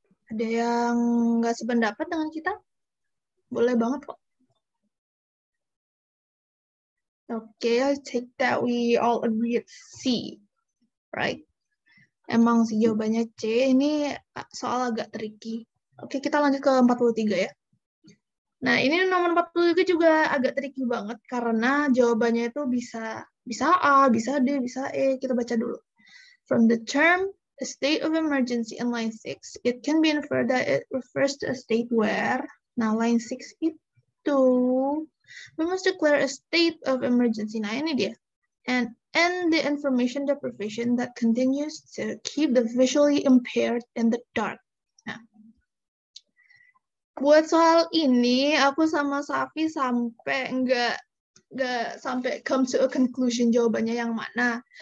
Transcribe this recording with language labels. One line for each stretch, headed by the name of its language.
Indonesian: Ada yang nggak sependapat dengan kita? Boleh banget kok.
English: Okay, I take that we all agree C, right?
Indonesian: Emang sih jawabannya C, ini soal agak tricky. Okay, kita lanjut ke 43 ya. Nah, ini nomor 43 juga agak tricky banget karena jawabannya itu bisa A, bisa D, bisa E. Kita baca dulu.
English: From the term a state of emergency in line 6, it can be inferred that it refers to a state where,
Indonesian: nah line 6 itu,
English: we must declare a state of emergency.
Indonesian: Nah, ini dia.
English: And end the information deprivation that continues to keep the visually impaired in the dark.
Indonesian: Buat soal ini, aku sama Safi sampai nggak sampai
English: come to a conclusion
Indonesian: jawabannya yang mana.